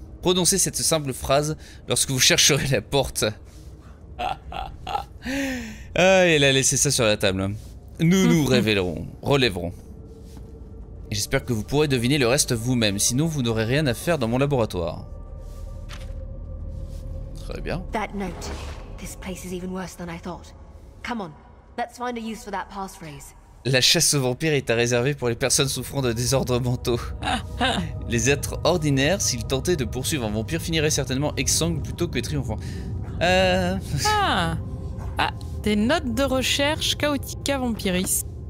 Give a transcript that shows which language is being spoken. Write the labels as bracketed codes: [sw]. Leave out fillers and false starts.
[fr] Prononcez cette simple phrase lorsque vous chercherez la porte. Ah, elle a laissé ça sur la table. Nous nous révélerons, relèverons. Et j'espère que vous pourrez deviner le reste vous-même, sinon vous n'aurez rien à faire dans mon laboratoire. Très bien. [en] That note. This place is even worse than I thought. Come on, let's find a use for that passphrase. [fr] La chasse aux vampires est à réserver pour les personnes souffrant de désordres mentaux. Les êtres ordinaires, s'ils tentaient de poursuivre un vampire, finiraient certainement exsangues plutôt que triomphants. Ah, des notes de recherche Chaotica Vampiris.